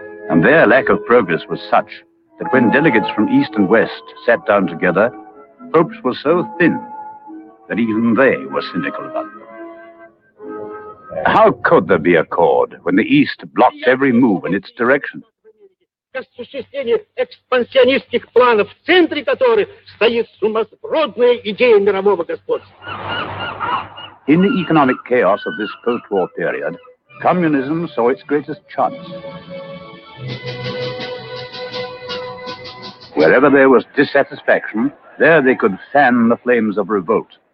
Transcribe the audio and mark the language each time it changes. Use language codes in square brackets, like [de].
[en] And their lack of progress was such that when delegates from East and West sat down together, hopes were so thin that even they were cynical about them. How could there be accord when the East blocked every move in its direction? [ru] Осуществление экспансионистских планов, в центре которых стоит сумасбродная идея мирового господства. [en] In the economic chaos of this post-war period, communism saw its greatest chance. Wherever there was dissatisfaction, there they could fan the flames of revolt.